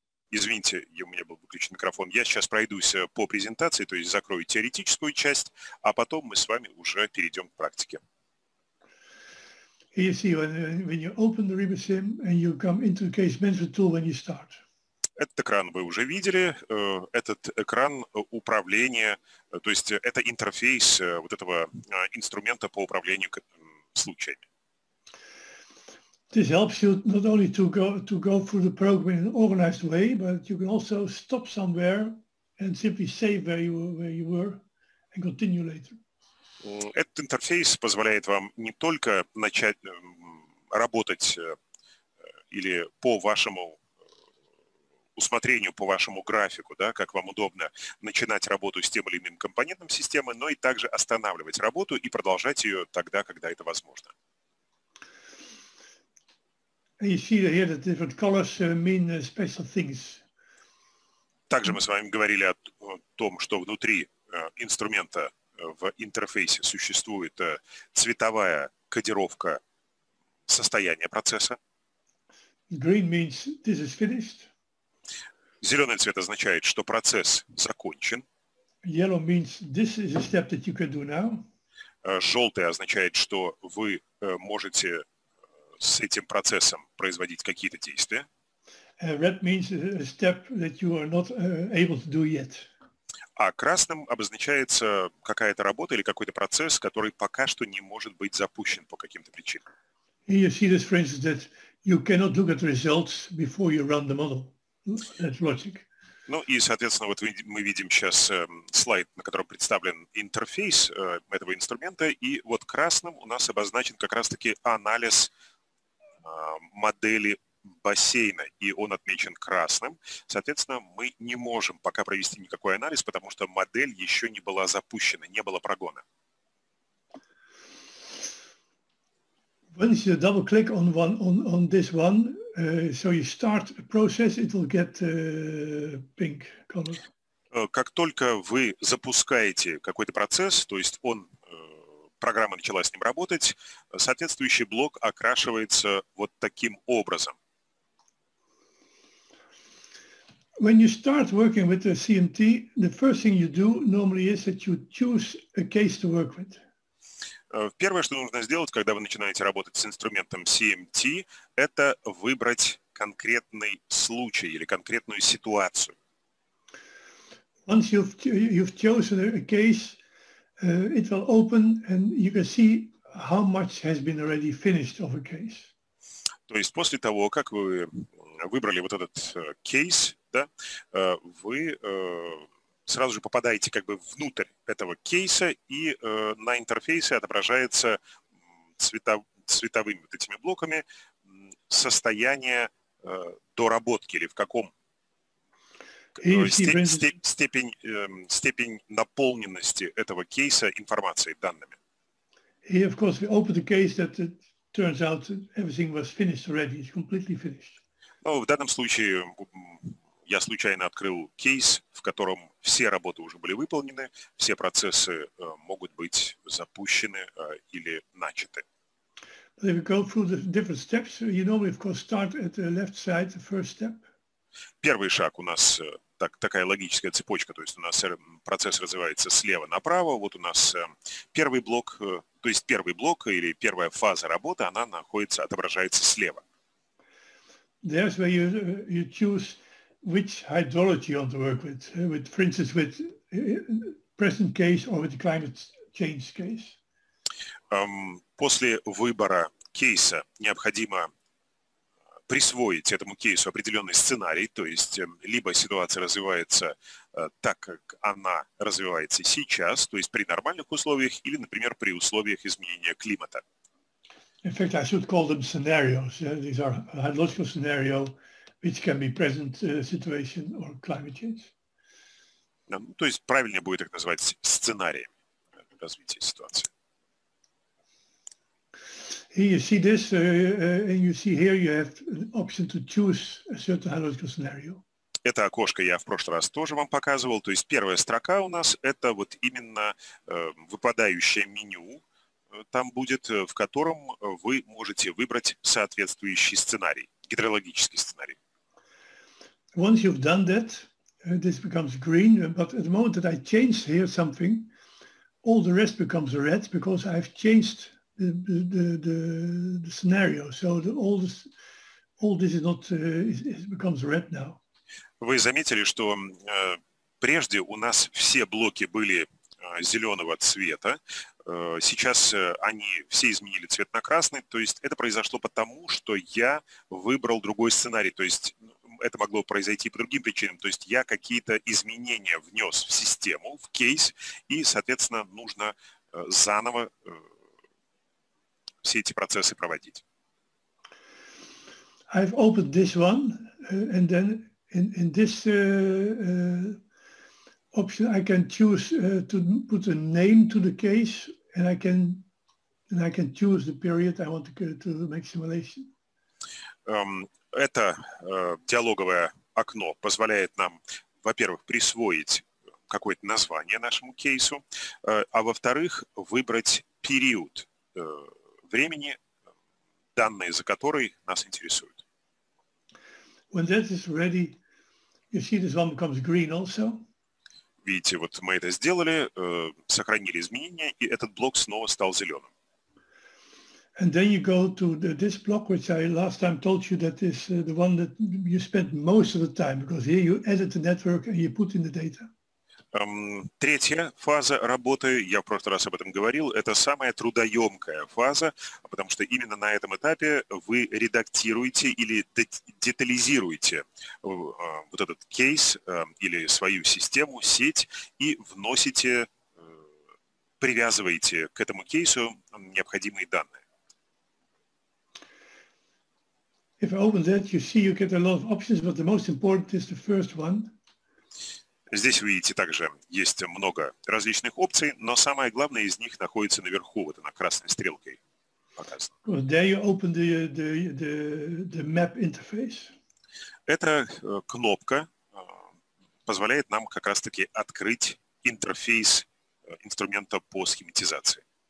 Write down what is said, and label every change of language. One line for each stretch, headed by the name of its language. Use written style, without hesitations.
Russian: Извините, у меня был выключен микрофон. Я сейчас пройдусь по презентации, то есть закрою теоретическую часть, а потом мы с вами уже перейдем к практике.
English: You see, when you open the Riemsim and you come into the case management tool when you start.
Russian: Этот экран вы уже видели. Этот экран управления, то есть это интерфейс вот этого инструмента по управлению случаями.
English: This helps you not only to go through the program in an organized way, but you can also stop somewhere and simply save where you were and continue later.
Russian: Этот интерфейс позволяет вам не только начать работать или по вашему усмотрению, по вашему графику, да, как вам удобно начинать работу с тем или иным компонентом системы, но и также останавливать работу и продолжать ее тогда, когда это возможно.
English: And you see here that different colors mean special things.
Russian: Также мы с вами говорили о том, что внутри инструмента в интерфейсе существует цветовая кодировка состояния процесса.
English: Green means this is finished.
Russian: Зеленый цвет означает, что процесс закончен.
English: Yellow means this is a step that you can do now.
Russian: Желтый означает, что вы можете с этим процессом производить какие-то действия.
English: Red means a step that you are not able to do yet.
Russian: А красным обозначается какая-то работа или какой-то процесс, который пока что не может быть запущен по каким-то причинам.
English: Here you see this, for instance, that you cannot look at results before you run the model. That's logic.
Russian: Ну и, соответственно, вот мы видим сейчас слайд, на котором представлен интерфейс этого инструмента, и вот красным у нас обозначен как раз-таки анализ модели бассейна, и он отмечен красным. Соответственно, мы не можем пока провести никакой анализ, потому что модель еще не была запущена, не было прогона.
English: Once you double click on one on this one, so you start a process, it will get pink color.
Russian: Как только вы запускаете какой-то процесс, то есть он программа начала с ним работать, соответствующий блок окрашивается вот таким образом.
English: When you start working with the CMT, the first thing you do normally is that you choose a case to work with.
Russian: Первое, что нужно сделать, когда вы начинаете работать с инструментом CMT, это выбрать конкретный случай или конкретную ситуацию.
English: Once you've chosen a case, it will open and you can see how much has been already finished of a case.
Russian: То есть после того, как вы выбрали вот этот кейс, да, вы сразу же попадаете как бы внутрь этого кейса, и на интерфейсе отображается цветовыми вот этими блоками состояние доработки или в каком степень наполненности этого кейса информацией, данными. И,
English: of course, we open the case that it turns out everything was finished already, it's completely finished.
Russian: Ну, в данном случае я случайно открыл кейс, в котором все работы уже были выполнены, все процессы могут быть запущены или начаты. Первый шаг у нас такая логическая цепочка, то есть у нас процесс развивается слева направо, вот у нас первый блок, то есть первый блок или первая фаза работы, она находится, отображается слева.
English: There's where you choose which hydrology you want to work with, for instance, with present case or with the climate change case.
Russian: После выбора кейса необходимо присвоить этому кейсу определенный сценарий, то есть либо ситуация развивается так, как она развивается сейчас, то есть при нормальных условиях, или, например, при условиях изменения климата.
English: In fact, I should call them scenarios. These are hydrological scenario, which can be present situation or climate change.
Russian: То есть правильнее будет их назвать сценариями развития ситуации.
English: Here you see this, and you see here you have an option to choose a certain hydrological scenario.
Russian: Это окошко я в прошлый раз тоже вам показывал. То есть первая строка у нас – это вот именно выпадающее меню, там будет, в котором вы можете выбрать соответствующий сценарий, гидрологический сценарий.
English: Once you've done that, this becomes green, but at the moment that I change here something, all the rest becomes red, because I've changed the scenario. So all this is not, it becomes red now.
Russian: Вы заметили, что прежде у нас все блоки были зеленого цвета, сейчас они все изменили цвет на красный, то есть это произошло потому, что я выбрал другой сценарий, то есть это могло произойти по другим причинам. То есть я какие-то изменения внес в систему, в кейс, и, соответственно, нужно заново все эти процессы проводить.
English: I've opened this one, and then in this option I can choose to put a name to the case, and I can choose the period I want to make simulation.
Russian: Это диалоговое окно позволяет нам, во-первых, присвоить какое-то название нашему кейсу, а во-вторых, выбрать период времени, данные за который нас интересуют.
English: When that is ready, you see this one becomes green also.
Russian: Видите, вот мы это сделали, сохранили изменения, и этот блок снова стал зеленым.
English: And then you go to this block, which I last time told you that is the one that you spend most of the time, because here you edit the network and you put in the data.
Russian: Третья фаза работы, я в прошлый раз об этом говорил, это самая трудоемкая фаза, потому что именно на этом этапе вы редактируете или детализируете вот этот кейс или свою систему, сеть, и вносите, привязываете к этому кейсу необходимые данные.
English: If I open that, you see you get a lot of options, but the most important is the first one.
Russian: Здесь вы видите также есть много различных опций, но самое главное из них находится наверху, вот она красной стрелкой показана.
English: There you open the map interface.
Russian: Эта кнопка позволяет нам как раз-таки открыть интерфейс инструмента по схематизации.